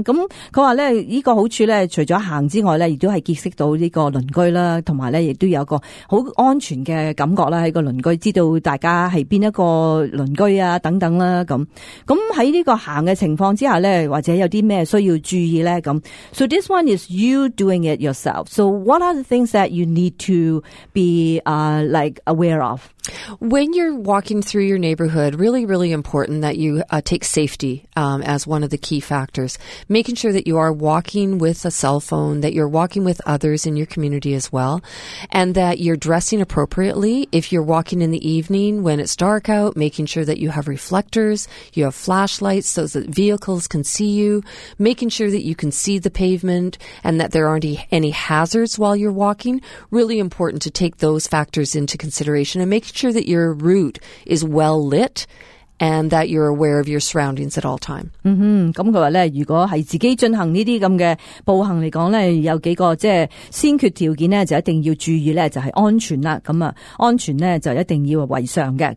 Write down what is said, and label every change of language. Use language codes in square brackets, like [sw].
[yue] 咁佢话咧，呢个好处咧，除咗行之外咧，亦都系结识到呢个邻居啦，同埋咧，亦都有一个好安全嘅感觉啦，喺个邻居知道大家系边一个邻居啊，等等啦。咁喺呢个行嘅情况之下咧，或者有啲咩需要注意咧？ [en] 咁 ，so this one is you doing it yourself. So what are the things that you need to be like aware of? When you're walking through your neighborhood, really, really important that you take safety as one of the key factors. Making sure that you are walking with a cell phone, that you're walking with others in your community as well, and that you're dressing appropriately. If you're walking in the evening when it's dark out, making sure that you have reflectors, you have flashlights so that vehicles can see you, making sure that you can see the pavement and that there aren't any hazards while you're walking. Really important to take those factors into consideration and make sure that your route is well lit and that you're aware of your surroundings at all time. [yue] 咁佢话咧，如果系自己进行呢啲咁嘅步行嚟讲咧，有几个即系先决条件咧，就一定要注意咧，就系安全啦。咁啊，安全咧就一定要为上嘅。